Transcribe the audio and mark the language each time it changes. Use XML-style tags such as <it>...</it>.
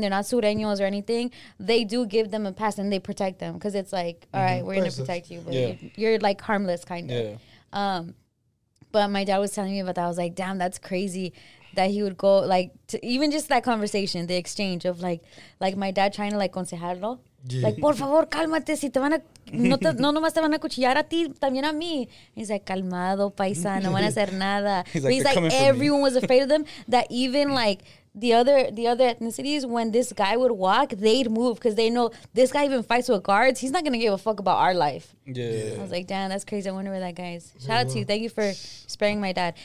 <en>They're not sureños or anything. They do give them a pass, and they protect them because it's like, all right, we're going to protect you. But you're, like, harmless kind of. Yeah. But my dad was telling me about that. I was like, damn, that's crazy that he would go, like, to, even just that conversation, the exchange of, like my dad trying to, like, aconsejarlo. Yeah. Like,</en> <es>por favor, cálmate, si te van a, no más te van a cuchillar a ti, también a mí.</es> <en>He's like,</en> <es>calmado, paisa, no van a hacer nada.</es> <en>He's like everyone was afraid of them, that even, like, the other ethnicities, when this guy would walk, they'd move, because they know this guy even fights with guards, he's not going to give a fuck about our life. Yeah. I was like, damn, that's crazy, I wonder where that guy is. Shout out to you, thank you for sparing my dad.</en>